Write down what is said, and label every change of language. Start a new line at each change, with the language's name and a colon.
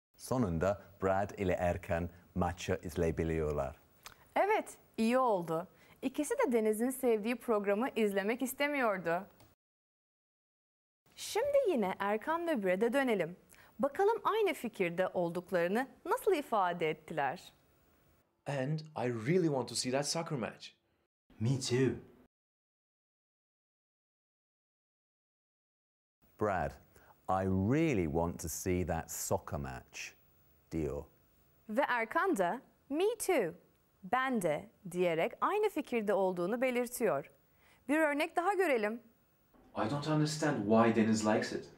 Turkish: Sonunda Brad ile Erkan maçı izleyebiliyorlar. Evet, iyi oldu. İkisi de Deniz'in sevdiği programı izlemek istemiyordu. Şimdi yine Erkan ve Brad'e dönelim. Bakalım aynı fikirde olduklarını nasıl ifade ettiler?
English: And I really want to see that soccer match. Me too. Brad, I really want to see that soccer match.
Turkish: Diyor. Ve Erkan da
English: me too,
Turkish: ben de diyerek aynı fikirde olduğunu belirtiyor. Bir örnek daha görelim.
English: I don't understand why Deniz likes it.